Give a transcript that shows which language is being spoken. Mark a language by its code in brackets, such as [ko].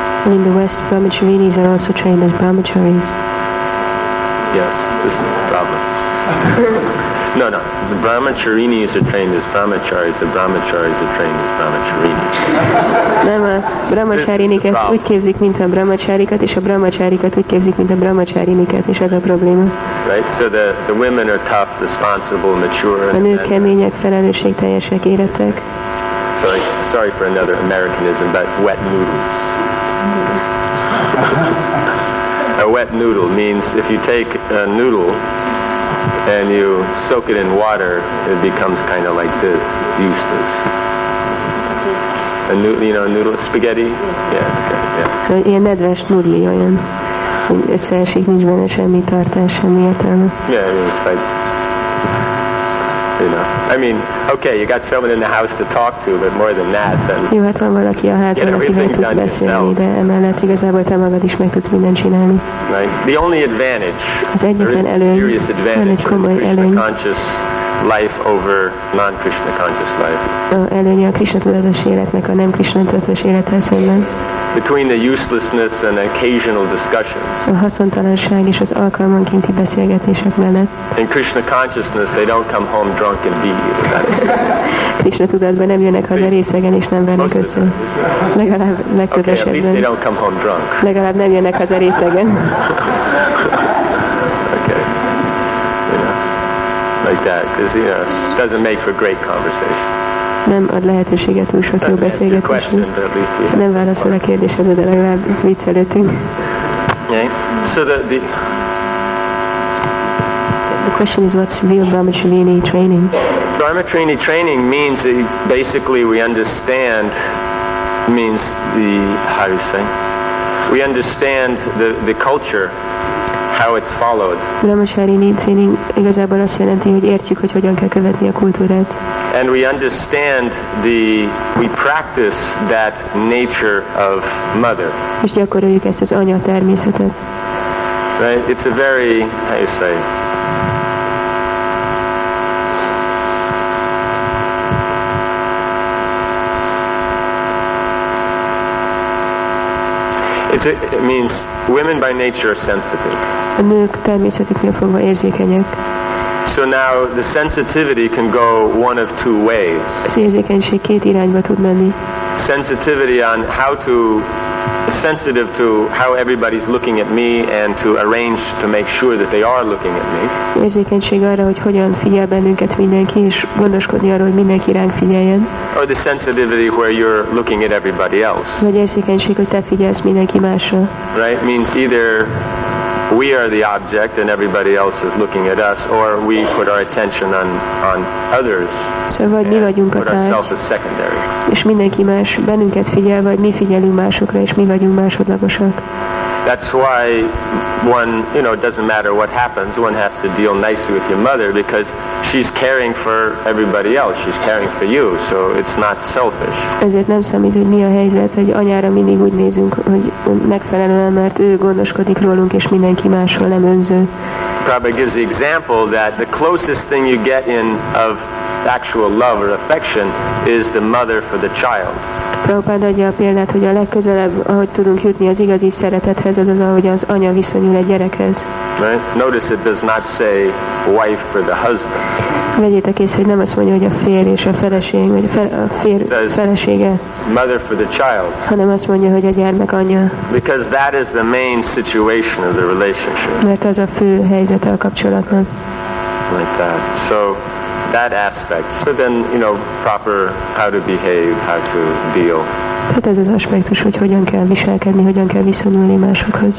[en] In the West, brahmacharinis are also trained as brahmacharis. Yes, this is the problem. No, the brahmacharinis are trained as brahmacharis, the brahmacharis are trained as brahmacharinis. [hu] Nem, a brahmacharinikat úgy képzik, mint a brahmacharikat, és a brahmacharikat úgy képzik, mint a brahmacharinikat, és ez a probléma. [en] Right, so the women are tough, responsible, mature. [hu] A nők kemények, felelősségteljesek, érettek. [en] Sorry for another Americanism, but wet noodles. A wet noodle means if you take a noodle and you soak it in water, it becomes kind of like this. It's useless. A noodle, you know, a noodle, spaghetti? Yeah, okay, yeah. [hu] So, ilyen nedves noodle, olyan, hogy összeesik, nincs benne semmi tartás, semmi értelme. [en] Yeah, I mean, it's like, you know, I mean, okay, you got someone in the house to talk to, but more than that, then [hu] jó, hát van valaki a házban, akivel tudsz beszélni, de emellett igazából te magad is meg tudsz mindent csinálni. [en] Right? The only advantage, [hu] az egyetlen előny, [en] serious advantage of Krishna conscious life over non-Krishna conscious life. [hu] A előny a Krishna tudatos életnek a nem Krishna tudatos élethez szemben. [en] Between the uselessness and occasional discussions. [hu] A haszontalanság és az alkalmankénti beszélgetések mellett. [en] In Krishna consciousness, they don't come home drunk and beat you. [hu] Krishna tudatban nem jönnek haza részegen és nem vennek össze. Legalább legtöbb esetben. [en] Okay, at least they don't come home drunk. [hu] Legalább nem jönnek haza részegen. [en] Okay. You know, like that, because you know, it doesn't make for great conversation. [hu] Nem ad lehetőséget túl sok jó beszélgetésre. Nem válaszol a kérdésedre, de legalább viccelődtünk. [en] Okay. So the question is, what's real brahmacharini training? Brahmacharini training means that basically we understand means the how do you say? We understand the culture, how it's followed. [hu] Brahmacharini training igazából azt jelenti, hogy értjük, hogy hogyan kell követni a kultúrát. [en] And we understand we practice that nature of mother. [hu] És gyakoroljuk ezt az anya természetet. [en] Right? It's a very, how you say, It means women by nature are sensitive. [hu] A nők természetüknél fogva érzékenyek. [en] So now the sensitivity can go one of two ways. [hu] Az érzékenység két irányba tud menni. [en] Sensitivity on how to sensitive to how everybody's looking at me and to arrange to make sure that they are looking at me. [hu] Érzékenység arra, hogy hogyan figyel bennünket mindenki, és gondoskodni arról, hogy mindenki ránk figyeljen. [en] Or the sensitivity where you're looking at everybody else. [hu] Vagy érzékenység, hogy te figyelsz mindenki másra. [en] Right? Means either we are the object and everybody else is looking at us, or we put our attention on others. [hu] Szóval [en] and [hu] mi vagyunk a [en] put ourselves as secondary. [hu] És mindenki más bennünket figyel, vagy mi figyelünk másokra, és mi vagyunk másodlagosak. [en] That's why one, you know, it doesn't matter what happens, one has to deal nicely with your mother because she's caring for everybody else, she's caring for you, so it's not selfish. [hu] Ezért nem számít, hogy mi a helyzet, hogy anyára mindig úgy nézünk, hogy megfelelően, mert ő gondoskodik rólunk, és mindenki másról, nem önző. [en] Prabhupada gives the example that the closest thing you get in of actual love or affection is the mother for the child. [hu] Prabhupada adja a példát, hogy a legközelebb, ahogy tudunk jutni az igazi szeretethez, az az, ahogy az anya viszonyul egy gyerekhez. [en] Right? Notice it does not say wife for the husband. [hu] Vegyétek észre, hogy nem azt mondja, hogy a férj és a feleség, vagy a férj felesége. [en] Mother for the child. [hu] Hanem azt mondja, hogy a gyermek anyja. [en] Because that is the main situation of the relationship. [hu] Mert az a fő helyzete a kapcsolatnak. [en] Like that. So that aspect. So then, you know, proper how to behave, how to deal. [hu] Hát ez az aspektus, hogy hogyan kell viselkedni, hogyan kell viszonyulni másokhoz.